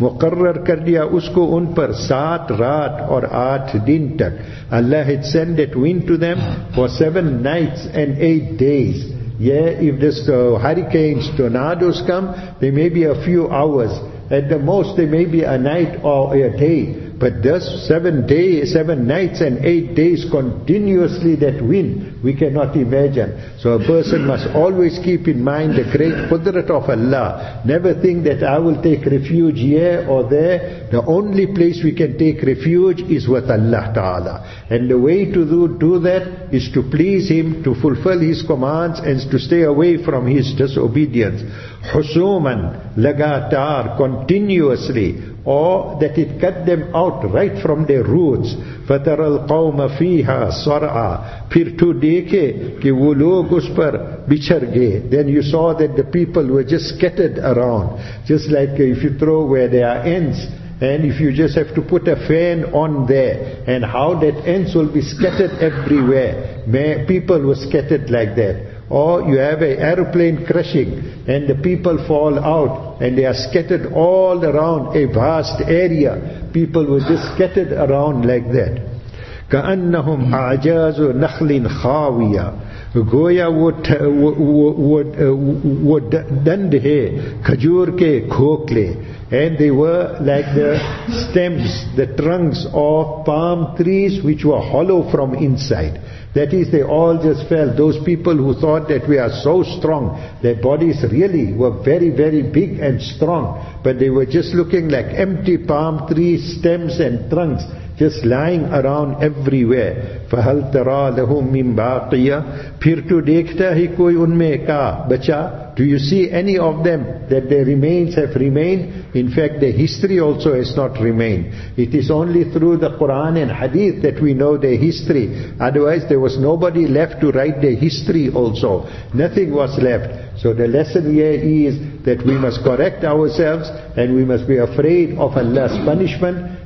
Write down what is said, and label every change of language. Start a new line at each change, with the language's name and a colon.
Urdu: مقرر کر دیا اس کو ان پر سات رات اور آٹھ دن تک.
English: Allah had sent that wind to them for 7 nights and 8 days. Yeah, if this hurricanes, tornadoes come, they may be a few hours. At the most, they may be a night or a day. But this 7 days, 7 nights and 8 days continuously that wind, we cannot imagine. So a person must always keep in mind the great qudrat of Allah. Never think that I will take refuge here or there. The only place we can take refuge is with Allah Ta'ala. And the way to do that is to please Him, to fulfill His commands, and to stay away from His disobedience. Husuman, lagatar, continuously. Or that it cut them out right from their roots.
Arabic: فَتَرَ الْقَوْمَ فِيهَا صَرْعَى.
Urdu: پھر تو دیکھے کہ وہ لوگ اس پر بچھر گئے.
English: Then you saw that the people were just scattered around. Just like if you throw where there are ants, and if you just have to put a fan on there, and how that ants will be scattered everywhere. People were scattered like that. Or you have an aeroplane crashing, and the people fall out, and they are scattered all around a vast area. people were just scattered around like that.
Arabic: كَأَنَّهُمْ أَعْجَازُ نَخْلٍ خَاوِيَةٍ.
Urdu: Goya would dand hai khajur ke khokle,
English: and they were like the stems, the trunks of palm trees which were hollow from inside. That is, they all just fell. Those people who thought that we are so strong, their bodies really were very, very big and strong, but they were just looking like empty palm trees, stems and trunks, just lying around everywhere.
Arabic: فَهَلْ تَرَى لَهُمْ مِنْ بَاقِيَةٍ.
Urdu: پھر تو دیکھتا ہی کوئی ان میں کا بچا.
English: Do you see any of them that their remains have remained? In fact, their history also has not remained. It is only through the Quran and Hadith that we know their history. Otherwise, there was nobody left to write their history also. Nothing was left. So the lesson here is that we must correct ourselves and we must be afraid of Allah's punishment.